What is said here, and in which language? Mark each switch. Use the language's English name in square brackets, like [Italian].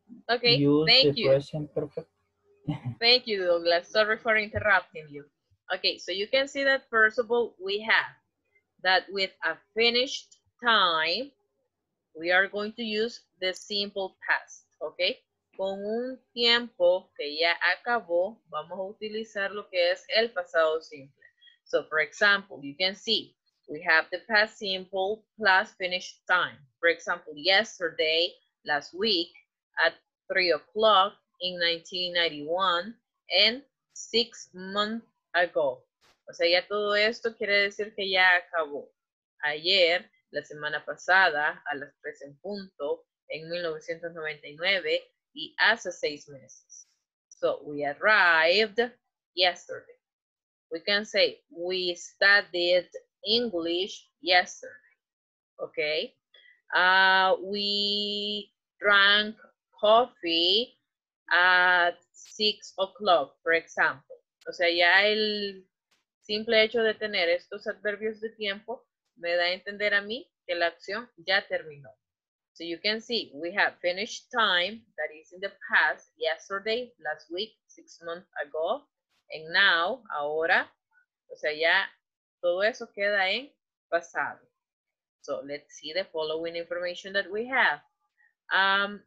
[English] okay, use thank the you. Present perfect. Thank you, Douglas. Sorry for interrupting you. Okay, so you can see that first of all, we have that with a finished time. We are going to use the simple past, okay? [Spanish] Con un tiempo que ya acabó, vamos a utilizar lo que es el pasado simple. [English] So, for example, you can see we have the past simple plus finished time. For example, yesterday, last week, at 3 o'clock in 1991, and 6 months ago. [Spanish] O sea, ya todo esto quiere decir que ya acabó. Ayer, la semana pasada, a las 3 en punto, en 1999, y hace 6 meses. [English] So, we arrived yesterday. We can say, we studied English yesterday. Okay? We drank coffee at 6 o'clock, for example. [Spanish] O sea, ya el simple hecho de tener estos adverbios de tiempo me da a entender a mí que la acción ya terminó. [English] So you can see, we have finished time, that is in the past, yesterday, last week, 6 months ago, and now, [Spanish] ahora, o sea, ya todo eso queda en pasado. [English] So let's see the following information that we have.